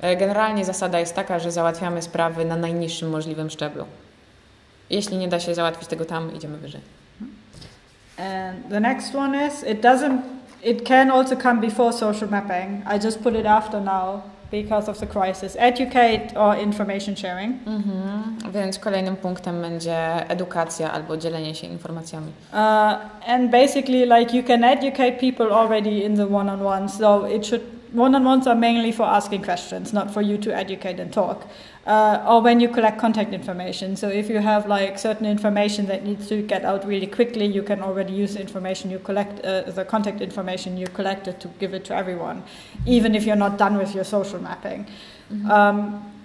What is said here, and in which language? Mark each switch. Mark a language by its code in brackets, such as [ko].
[pl] Generalnie zasada jest taka, że załatwiamy sprawy na najniższym możliwym szczeblu. Jeśli nie da się załatwić tego tam, idziemy wyżej. [en] And the next one is, it can also come before social mapping. I just put it after now because of the crisis. Educate or information sharing. Mm-hmm. [pl] Więc kolejnym punktem będzie edukacja albo dzielenie się informacjami. [en] And basically, like, you can educate people already in the one-on-one, so it should one-on-ones are mainly for asking questions, not for you to educate and talk. Or when you collect contact information. So if you have like certain information that needs to get out really quickly, you can already use the information you collect, the contact information you collected to give it to everyone, even if you're not done with your social mapping. Mm-hmm.